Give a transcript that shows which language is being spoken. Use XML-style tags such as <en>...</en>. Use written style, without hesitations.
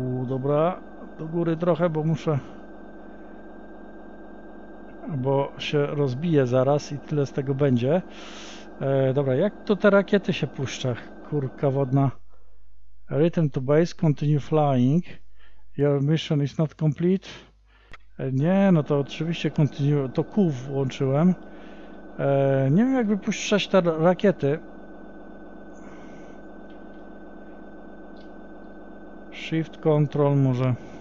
<pl>Dobra, do góry trochę, bo muszę... Bo się rozbiję zaraz i tyle z tego będzie. Dobra, jak to te rakiety się puszcza? Kurka wodna.</pl> <en>Return to base, continue flying. Your mission is not complete.</en> <pl>Nie, no to oczywiście continue, to Q włączyłem. Nie wiem jak wypuszczać te rakiety. Shift, control może.</pl>